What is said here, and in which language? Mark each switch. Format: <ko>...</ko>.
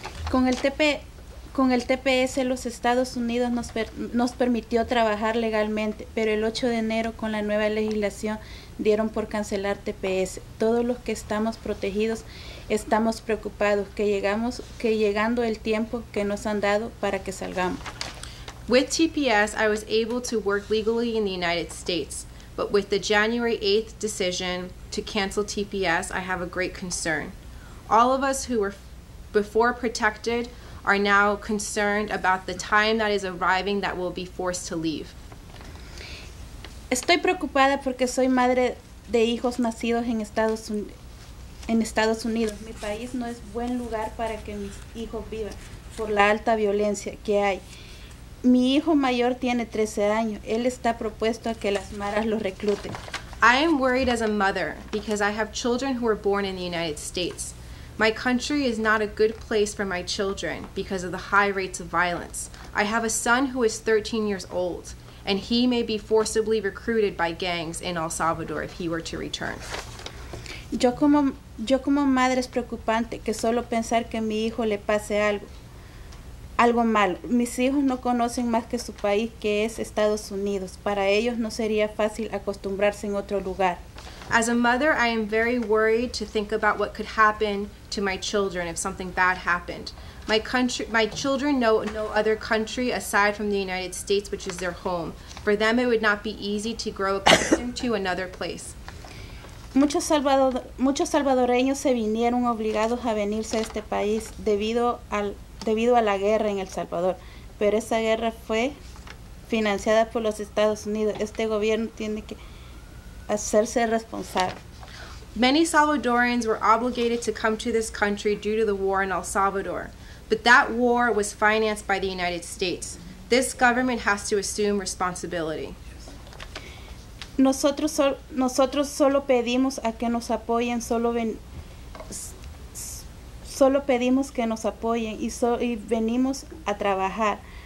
<es>Con el TPS, los Estados Unidos nos permitió trabajar legalmente, pero el 8 de enero, con la nueva legislación, dieron por cancelar TPS. Todos los que estamos protegidos estamos preocupados que llegando el tiempo que nos han dado para que salgamos.</es> <en>With TPS, I was able to work legally in the United States, but with the January 8th decision to cancel TPS, I have a great concern. All of us who were before protected are now concerned about the time that is arriving that will be forced to leave.</en> <es>Estoy preocupada porque soy madre de hijos nacidos en Estados Unidos. Mi país no es buen lugar para que mis hijos vivan por la alta violencia que hay. Mi hijo mayor tiene 13 años. Él está propuesto a que las maras lo recluten.</es> <en>I am worried as a mother because I have children who were born in the United States. My country is not a good place for my children because of the high rates of violence. I have a son who is 13 years old, and he may be forcibly recruited by gangs in El Salvador if he were to return.</en> <es>Yo como Yo como madre es preocupante que solo pensar que a mi hijo le pase algo malo. Mis hijos no conocen más que su país, que es Estados Unidos. Para ellos no sería fácil acostumbrarse en otro lugar.</es> <en>As a mother, I am very worried to think about what could happen to my children if something bad happened. My children know no other country aside from the United States, which is their home. For them, it would not be easy to grow accustomed to another place.</en> <es>Muchos salvadoreños se vinieron obligados a venirse a este país debido a la guerra en El Salvador. Pero esa guerra fue financiada por los Estados Unidos. Este gobierno tiene que hacerse responsable.</es> <en>Many Salvadorans were obligated to come to this country due to the war in El Salvador. But that war was financed by the United States. This government has to assume responsibility.</en> <es>Nosotros solo pedimos a que nos apoyen, solo pedimos que nos apoyen y venimos a trabajar.</es>